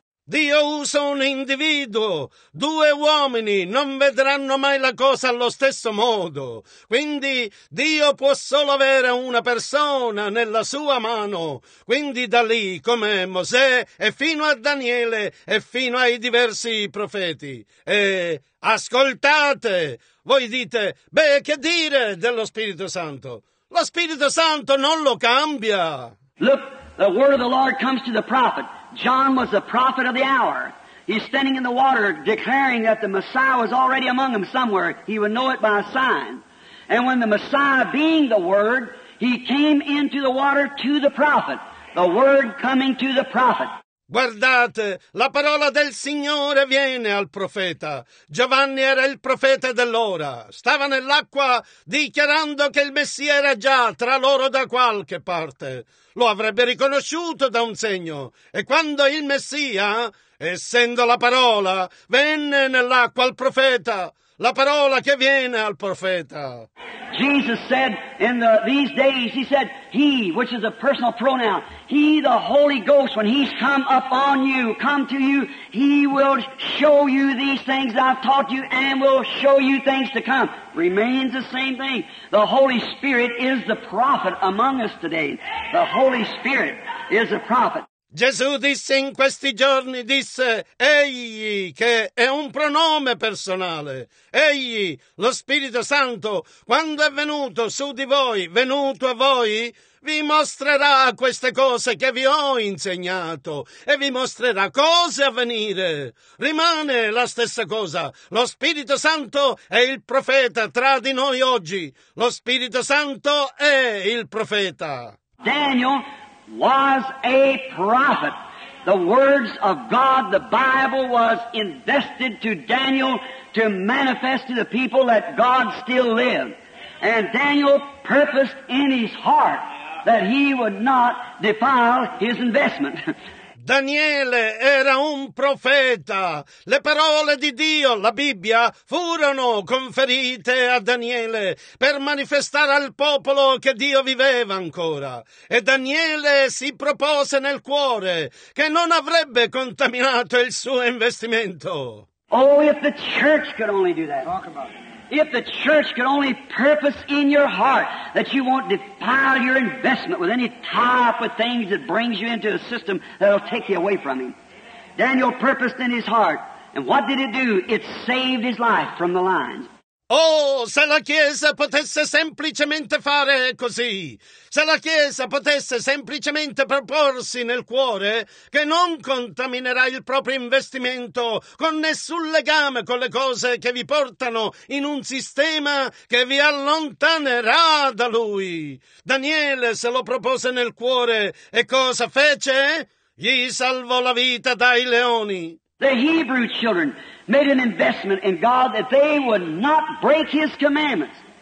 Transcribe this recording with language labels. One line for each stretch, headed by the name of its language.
Italian: Dio usa un individuo. Due uomini non vedranno mai la cosa allo stesso modo. Quindi Dio può solo avere una persona nella sua mano. Quindi da lì, come Mosè, e fino a Daniele, e fino ai diversi profeti. E ascoltate! Voi dite, beh, che dire dello Spirito Santo? Lo Spirito Santo non lo cambia!
English: Look, the word of the Lord comes to the prophet. John was the prophet of the hour. He's standing in the water declaring that the Messiah was already among him somewhere. He would know it by a sign. And when the Messiah being the Word, he came into the water to the prophet. The Word coming to the prophet.
Italian: Guardate, la parola del Signore viene al profeta. Giovanni era il profeta dell'ora. Stava nell'acqua dichiarando che il Messia era già tra loro da qualche parte. Lo avrebbe riconosciuto da un segno. E quando il Messia, essendo la parola, venne nell'acqua al profeta, la parola che viene al profeta.
English: Jesus said in these days, he said, he, which is a personal pronoun, he, the Holy Ghost, when he's come up on you, come to you, he will show you these things I've taught you and will show you things to come. Remains the same thing. The Holy Spirit is the prophet among us today. The Holy Spirit is a prophet.
Italian: Gesù disse in questi giorni, disse, egli, che è un pronome personale, egli, lo Spirito Santo, quando è venuto su di voi, venuto a voi, vi mostrerà queste cose che vi ho insegnato e vi mostrerà cose a venire. Rimane la stessa cosa. Lo Spirito Santo è il profeta tra di noi oggi. Lo Spirito Santo è il profeta.
English: Daniel was a prophet. The words of God, the Bible, was invested to Daniel to manifest to the people that God still lived. And Daniel purposed in his heart that he would not defile his investment.
Italian: Daniele era un profeta. Le parole di Dio, la Bibbia, furono conferite a Daniele per manifestare al popolo che Dio viveva ancora. E Daniele si propose nel cuore che non avrebbe contaminato il suo investimento.
English: Oh, if the church could only do that. Talk about it. If the church could only purpose in your heart that you won't defile your investment with any tie-up with things that brings you into a system that'll take you away from him. Daniel purposed in his heart. And what did it do? It saved his life from the lions.
Italian: Oh, se la Chiesa potesse semplicemente fare così, se la Chiesa potesse semplicemente proporsi nel cuore che non contaminerà il proprio investimento con nessun legame con le cose che vi portano in un sistema che vi allontanerà da lui. Daniele se lo propose nel cuore e cosa fece? Gli salvò la vita dai leoni.
English: The Hebrew children made an investment in God that they would not break His commandments.